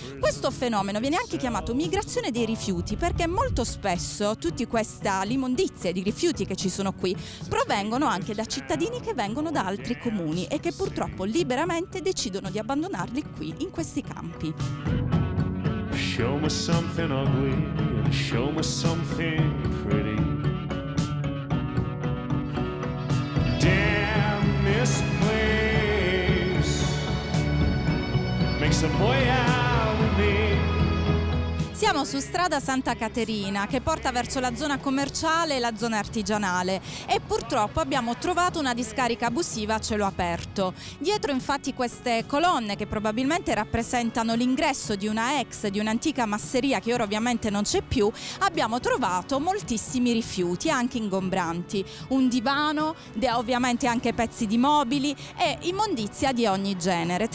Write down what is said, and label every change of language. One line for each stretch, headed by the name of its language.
Italian: Questo fenomeno viene anche chiamato migrazione dei rifiuti perché molto spesso tutte queste immondizie di rifiuti che ci sono qui provengono anche da cittadini che vengono da altri comuni e che purtroppo liberamente decidono di abbandonarli qui, in questi campi.
English: Show me something ugly and show me something pretty. Damn this place makes a boy out of me.
Italian: Siamo su strada Santa Caterina che porta verso la zona commerciale e la zona artigianale e purtroppo abbiamo trovato una discarica abusiva a cielo aperto. Dietro infatti queste colonne che probabilmente rappresentano l'ingresso di una ex, di un'antica masseria che ora ovviamente non c'è più, abbiamo trovato moltissimi rifiuti anche ingombranti, un divano, ovviamente anche pezzi di mobili e immondizia di ogni genere.